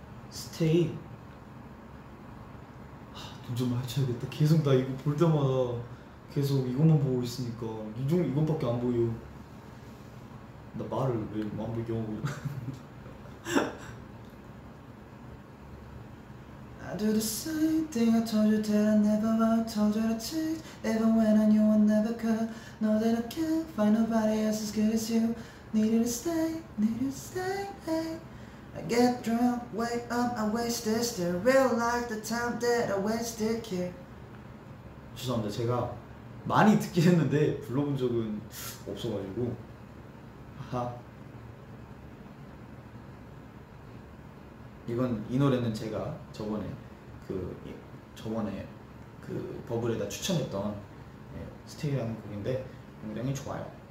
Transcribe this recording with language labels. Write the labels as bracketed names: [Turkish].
[Korean] 스테이 눈 좀 맞춰야겠다. 계속 나 이거 볼 때마다 계속 이것만 보고 있으니까 눈 좀 이것밖에 안 보여. 나 말을 왜 안 보게 하고 있어. [English] I do the same thing I told you that I never would told you to change Even when I knew I never could Know that I can't find nobody else as good as you Need you to stay, need you to stay, hey I get drunk, wake up, I waste this day Realize the time that I wasted here [Korean] 죄송합니다. 제가 많이 듣긴 했는데 불러본 적은 없어가지고 하하 이건 이 노래는 제가 저번에 그 저번에 그 버블에다 추천했던 예, 스테이라는 곡인데 굉장히 좋아요.